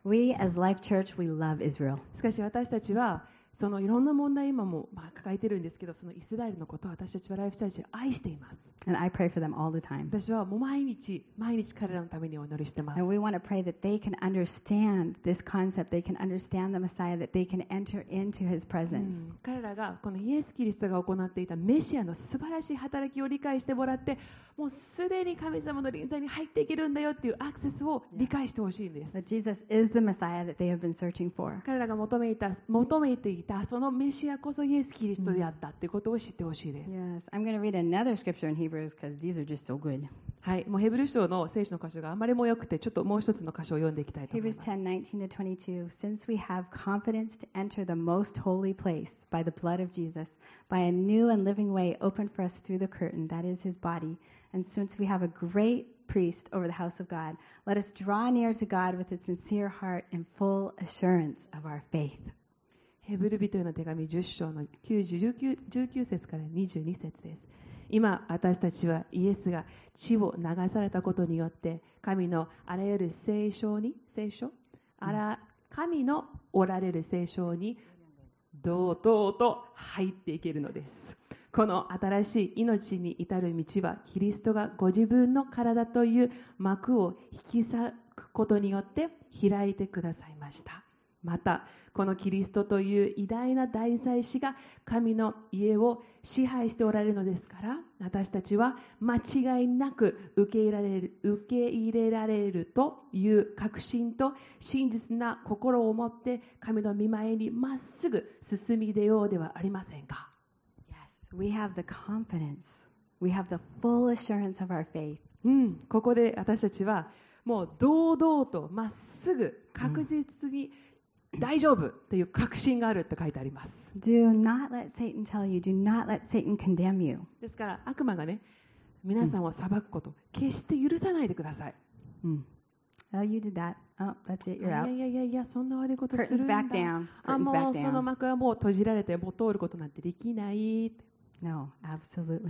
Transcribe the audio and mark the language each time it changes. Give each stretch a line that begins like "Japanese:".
English: we, as Life Church, we love Israel.
Japanese: しかし私たちはそのいろんな問題今も抱えてるんですけど、そのイスラエルのことを私たちはライフチャージを愛しています。
English: And I pray for them all the time.
Japanese: 私はもう毎日毎日彼らのためにお祈りしてます。
English: And we want to pray that they can understand this concept, they can understand the Messiah, that they can enter into his presence.
Japanese: 彼らがこのイエス・キリストが行っていたメシアの素晴らしい働きを理解してもらって、もうすでに神様の臨在に入っていけるんだよっていうアクセスを理解してほしいんです。
English: That Jesus is the Messiah that they have been searching for.
Japanese: 彼らが求めていたそのメシアこそイエス・キリストであったってことを知ってほしいです。
English: Yes, I'm going to read another scripture in Hebrews because these are just so good.
Japanese: はい、もうヘブル書の聖書の箇所があまりも良くて、ちょっともう一つの箇所を読んでいきたいと思います。
English: Hebrews 10:19-22 Since we have confidence to enter the most holy place by the blood of Jesus, by a new and living way opened for us through the curtain, that is his body, and since we have a great priest over the house of God, let us draw near to God with a sincere heart and full assurance of our faith.
Japanese: ヘブル人への手紙10章の19節から22節です。今私たちはイエスが血を流されたことによって神のあらゆる聖書に聖書あら神のおられる聖書に堂々と入っていけるのです。この新しい命に至る道はキリストがご自分の体という幕を引き裂くことによって開いてくださいました。またこのキリストという偉大な大祭司が神の家を支配しておられるのですから、私たちは間違いなく受け入れられるという確信と真実な心を持って神の御前にまっすぐ進み出ようではありませんか。
English: Yes, we have the confidence. We have the full assurance of our faith.
Japanese: ここで私たちはもう堂々とまっすぐ確実に大丈夫という確信があるって書いてあります。
English: Do not let Satan tell you. Do not let Satan condemn you.
Japanese: ですから悪魔がね、皆さんを裁くこと、決して許さないでください。
English: Oh, you did that. Oh, that's it. You're out.
Japanese: いや、そんな悪いことするんだ。
English: Curtains back down. Curtains back down.
Japanese: あ、もうその幕はもう閉じられて、もう通ることなんてできない。
English: No, absolutely not.